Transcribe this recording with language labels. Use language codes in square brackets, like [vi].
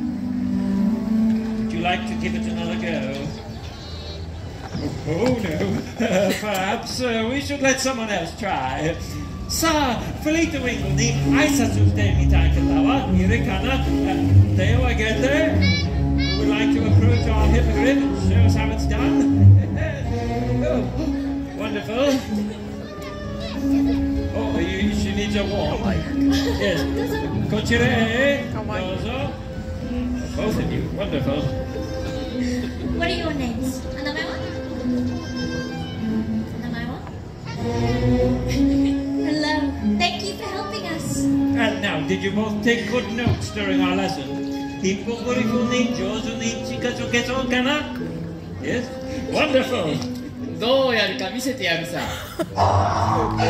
[en] Would you like to give it another go? Oh no, perhaps we should let someone else try. [ja] さあ、フリートウィングに挨拶してみたい方はいるかな？手を挙げて。 [en] We'd like to approach our hippogriff and show us how it's done. Oh, wonderful. Oh, she needs a warm. Yes. こちらへ、どうぞ。 Both of you, wonderful. What are your names? 名前は? Hello, thank you for helping us. And now, did you both take good notes during our lesson? [ja] ヒッポグリフに上手に近づけそうかな? [en] Yes, wonderful. [ja] どうやるか見せてやるさ。